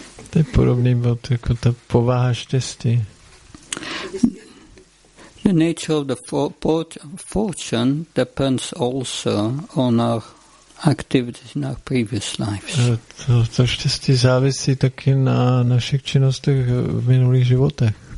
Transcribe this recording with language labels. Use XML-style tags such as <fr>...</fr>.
<cs>To je podobný bod, jako ta povaha štěstí.</cs> <en>The nature of the fortune depends also on our activities in our previous lives.</en> <cs>To štěstí závisí taky na našich činnostech v minulých životech.</cs>